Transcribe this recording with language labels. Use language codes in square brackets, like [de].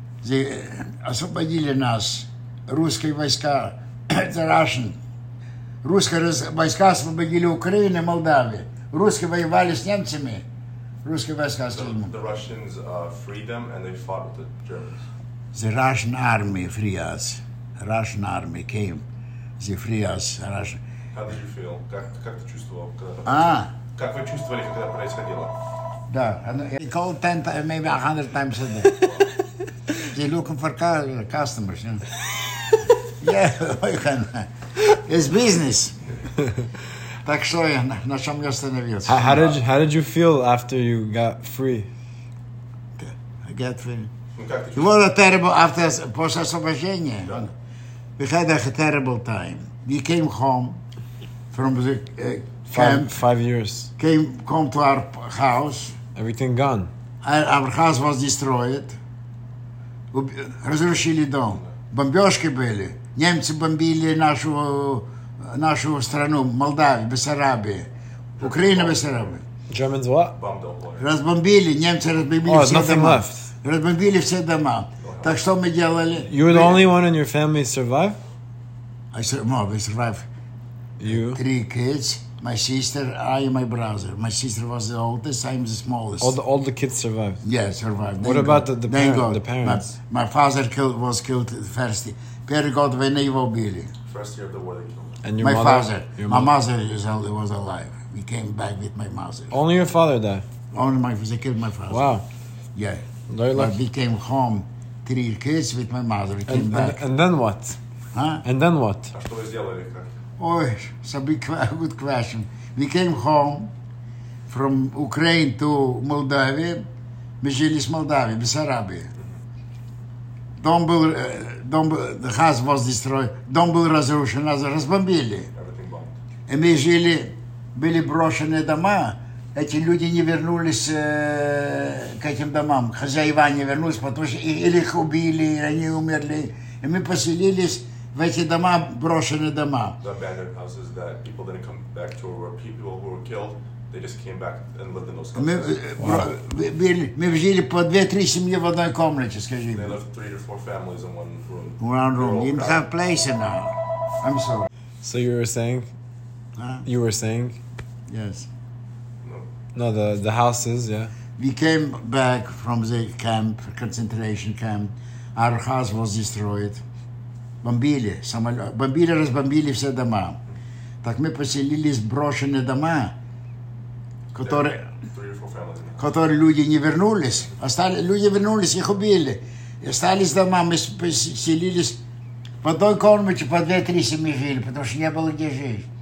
[en] They [ru] освободили нас, русские войска, [en] the Russian. [ru] Русские войска освободили Украину и Молдавию. Русские воевали с немцами. Русские войска с ними. [en] The Russians freed them and they fought with the Germans. The Russian army freed us. Russian army came. The free us, Russia. How did you feel? [ru] Как ты чувствовал, когда... Как вы чувствовали, когда происходило? Да. [en] They called 10 times, maybe 100 times a day. They're looking for customers, you know. Yeah, you can. It's business. [ru] Так что я на чем я остановился. [en] How did you feel after you got free? I got free. It was a terrible after [ru] после освобождения. [en] We had a terrible time. We came home from the camp. Five years. Came to our house. Everything gone. Our house was destroyed. [ru] Разрушили дом. Бомбежки были. Немцы бомбили нашу страну, Молдавию, Бессарабию. Украина, Бессарабия. [en] Germans what? [ru] Разбомбили, немцы разбомбили все дома. [en] Oh, nothing left. [ru] Разбомбили все дома. Так что мы делали? [en] You were the only one in your family survive? We survived. You? Three kids, my sister, I and my brother. My sister was the oldest, I'm the smallest. All the kids survived? Yeah, survived. What about the parents? My father was killed first. Pierre got when he was first year of the war, they killed. And your my mother? My father. My mother was alive. We came back with my mother. Only your father died? Only my father. They killed my father. Wow. Yeah. Very lucky. We came home. Three kids with my mother. We came back. And then what? Huh? And then what? Oh, it's a big, good question. We came home from Ukraine to Moldavia. We lived in Moldavia, Bessarabia. The house was destroyed. [ru] Дом был разрушен, нас разбомбили. И мы жили, были брошены дома. Эти люди не вернулись к этим домам. Хозяева не вернулись, потому что или их убили, или они умерли. И мы поселились в эти дома, брошенные дома. [en] The abandoned houses that people didn't come back to were people who were killed. They just came back and lived in those houses. [ru] Мы жили по 2-3 семьи в одной комнате, скажи. [en] They lived 3-4 families in one room. One room. You didn't have place enough. I'm sorry. So you were saying? You were saying? Yes. No, the houses, yeah. We came back from the camp, concentration camp. Our house was destroyed. [ru] Бомбили, самолет. Бомбили, разбомбили все дома. Так мы поселились в брошенные дома, которые люди не вернулись. Остались, люди вернулись, их убили. И остались дома, мы поселились в одной комнате, по 2-3 семьи жили, потому что не было где жить.